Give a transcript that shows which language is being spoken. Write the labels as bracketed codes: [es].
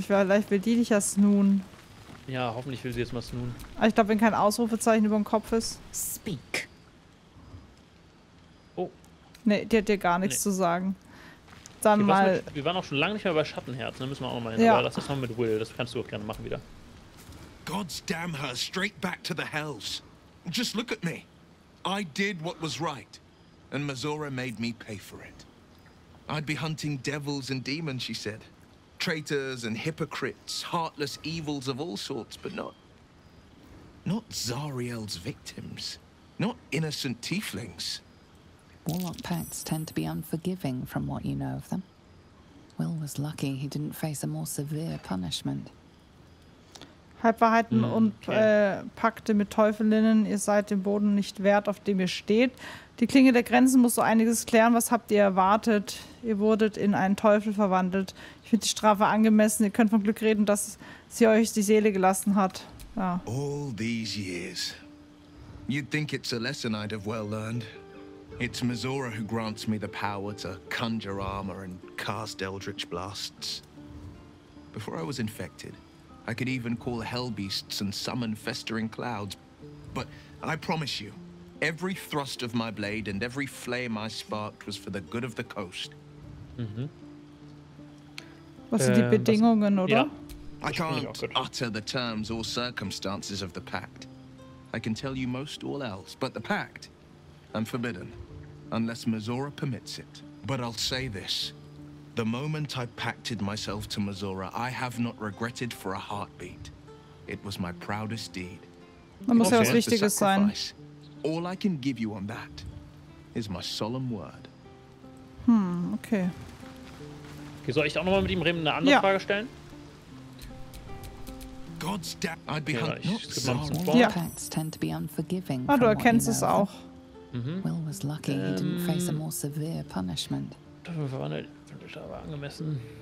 [de] Vielleicht will die dich ja snoon. Ja, hoffentlich will sie jetzt mal snoon. Ich glaube, wenn kein Ausrufezeichen über dem Kopf ist. [en] Speak. Oh. [de] Nee, die hat dir gar nichts zu sagen. Dann okay, mal. Wir waren auch schon lange nicht mehr bei Schattenherz. Da müssen wir auch nochmal hin. Ja. Aber lass das mal mit Will. Das kannst du auch gerne machen wieder. [en] God's damn her straight back to the Hells. Just look at me. I did what was right. And Mazora made me pay for it. I'd be hunting devils and demons, she said. Traitors and hypocrites, heartless evils of all sorts, but not... not Zariel's victims. Not innocent tieflings. Warlock pacts tend to be unforgiving from what you know of them. Will was lucky he didn't face a more severe punishment. [de] Halbwahrheiten okay. Und Pakte mit Teufelinnen, ihr seid dem Boden nicht wert, auf dem ihr steht. Die Klinge der Grenzen muss so einiges klären. Was habt ihr erwartet? Ihr wurdet in einen Teufel verwandelt. Ich finde die Strafe angemessen. Ihr könnt vom Glück reden, dass sie euch die Seele gelassen hat. Ja. [en] All these years. You'd think it's a lesson I'd have well learned. It's Mazora who grants me the power to conjure armor and cast eldritch blasts. Before I was infected, I could even call hellbeasts and summon festering clouds. But I promise you, every thrust of my blade and every flame I sparked was for the good of the coast. [de] Was sind die Bedingungen, was, oder? Ja. [en] I can't utter the terms or circumstances of the pact. I can tell you most all else, but the pact, I'm forbidden, unless Mazora permits it. But I'll say this. The moment I pacted myself to Mazora, I have not regretted for a heartbeat. It was my proudest deed. [de] Man muss ja was Wichtiges sein. [en] All I can give you on that is my solemn word. Okay. [de] Okay, soll ich auch nochmal mit ihm reden und eine andere Frage stellen? [en] God's damn, I'd be unforgiving. [de] Ah, du erkennst es auch. [en] Will was lucky, he didn't face a more severe punishment. [de] Aber angemessen.